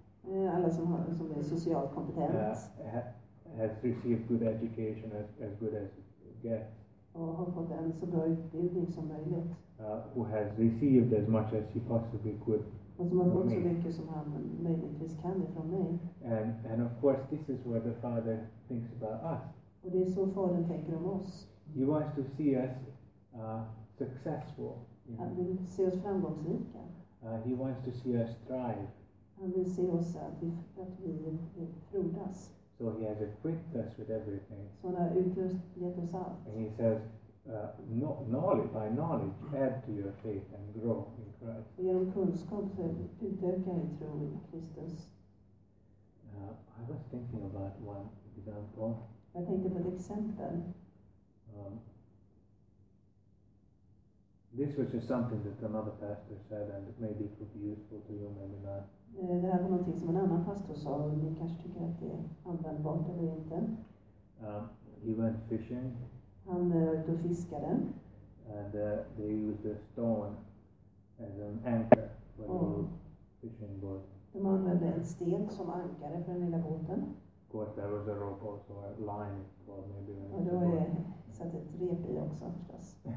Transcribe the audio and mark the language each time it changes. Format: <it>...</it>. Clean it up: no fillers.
<sv>Alla som är socialt kompetent.</sv> <en>Has received good education as good as it gets.</en> <sv>Och har fått en så bra utbildning som möjligt.</sv> <en>Who has received as much as he possibly could.</en> <sv>Och som har fått så mycket som han möjligtvis kan ifrån mig.</sv> <en>And of course this is where the Father thinks about us.</en> <sv>Och det är så Fadern tänker om oss.</sv> <en>He wants to see us successful.</en> <sv>Han vill se oss framgångsrika.</sv> <en>He wants to see us thrive.</en> <sv>Han vill se oss att vi frodas.</sv> <en>So he has equipped us with everything.</en> <sv>Så han har utrustat oss allt.</sv> <en>And he says, knowledge, add to your faith and grow in Christ.</en> <sv>Genom kunskap så utökar din tro i Kristus.</sv> <en>I was thinking about one example.</en> <sv>Jag tänkte på ett exempel.</sv> <en>This was just something that another pastor said, and maybe it would be useful to you, maybe not.</en> <sv>Det här var någonting som en annan pastor sa, och ni kanske tycker att det är användbart eller inte.</sv> <en>He went fishing.</en> <sv>Han då fiskade.</sv> <en>And they used a stone as an anchor for the fishing boat.</en> <sv>De använde en sten som ankare för den lilla båten.</sv> <en>Of course, there was a rope also, a line for maybe.</en> <sv>Och då satt ett rep i också förstås.</sv>